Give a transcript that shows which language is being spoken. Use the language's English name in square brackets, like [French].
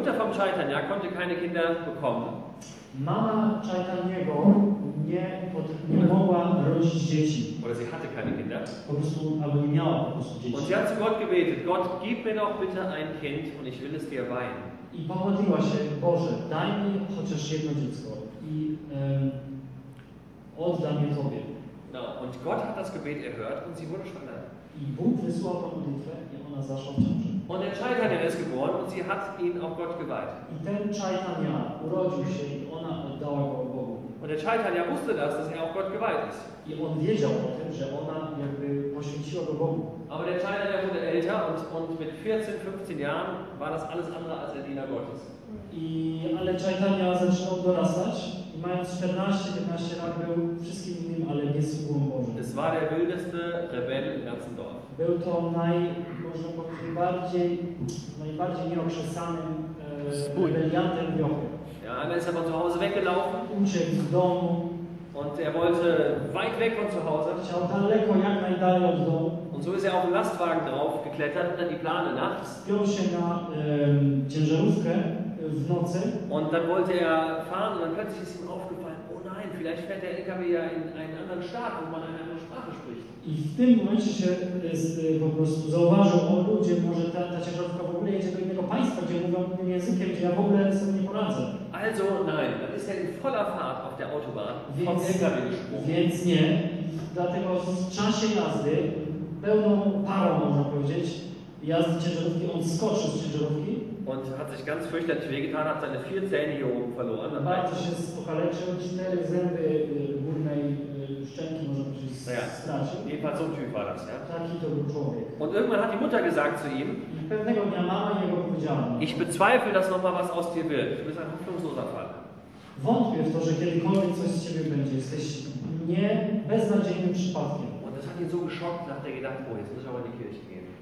[German] Chaitanya, konnte keine Kinder bekommen. [Polish] Mama Chaitanyego nie mogła rodzić dzieci. [German] Oder sie hatte keine Kinder. [Polish] Po prostu, albo nie miała po prostu dzieci. [German] Und sie hat zu Gott gebetet, Gott, gib mir doch bitte ein Kind und ich will es dir weihen. [Polish] I pomodliła się, Boże, daj mi chociaż jedno dziecko i oddam je Tobie. [German] No, und Gott hat das Gebet erhört und sie wurde schwanger. [Polish] I Bóg wysłał tą modlitwę i ona zaszła w ciąży. [German] Und der Chaitanya ist geboren und sie hat ihn auch Gott geweiht. [Polish] I ten Chaitanya urodził się i ona oddała go Bogu. [German] Und der Chaitanya wusste das, dass er auch Gott geweiht ist. [Polish] I on wiedział o tym, że ona jakby poświęciła go Bogu. [German] Aber der Chaitanya wurde älter und mit 14, 15 Jahren war das alles andere als der Diener Gottes. [Polish] Ale Chaitanya zaczął dorastać i mając 14, 15 lat był wszystkim innym, ale nie sługą Bożym. [German] Es war der wildeste Rebell im ganzen Dorf. [Polish] Był to można powiedzieć, najbardziej nieokrzesanym rebeliantem wiochy. [German] Ja, er ist aber zu Hause weggelaufen. [Polish] Uciekł z domu. [German] Und er wollte weit weg von zu Hause. [Polish] Chciał daleko, jak najdalej od domu. [German] Und so ist er auf den Lastwagen drauf geklettert und dann die Plane nachts. [Polish] Spiął się na ciężarówkę w nocy. [German] Und dann wollte er fahren und dann plötzlich ist ihm aufgefallen, oh nein, vielleicht vielleicht fährt der LKW ja in einen anderen Staat, wo man eine andere Sprache spricht. [Polish] I w tym momencie się po prostu zauważył, o ludzie, może ta ciężarówka w ogóle jedzie do innego państwa, gdzie mówią innym językiem, gdzie ja w ogóle sobie nie poradzę. [German] Also nein, dann ist er in voller Fahrt auf der Autobahn vom LKW gesprungen. [Polish] Więc nie, dlatego w czasie jazdy, pełną parą można powiedzieć, jazdy ciężarówki, on skoczył z ciężarówki. [German] Und hat sich ganz fürchterlich wehgetan, hat seine 4 Zähne hier oben verloren. [Polish] Bardzo się pokaleczył, 4 zęby górnej szczęki można powiedzieć stracił. [German] Jedenfalls so ein Typ war das, ja? [Polish] Taki to był człowiek. [German] Und irgendwann hat die Mutter gesagt zu ihm, [Polish] i pewnego dnia mama jego powiedziała. [German] Ich bezweifle, dass nochmal was aus dir wird. Du bist ein hoffnungsloser Fall. [Polish] Wątpię w to, że kiedykolwiek coś z ciebie będzie. Jesteś nie beznadziejnym przypadkiem. [German] Und das hat ihn so geschockt, dass er gedacht, oh, jetzt muss ich aber in die Kirche gehen.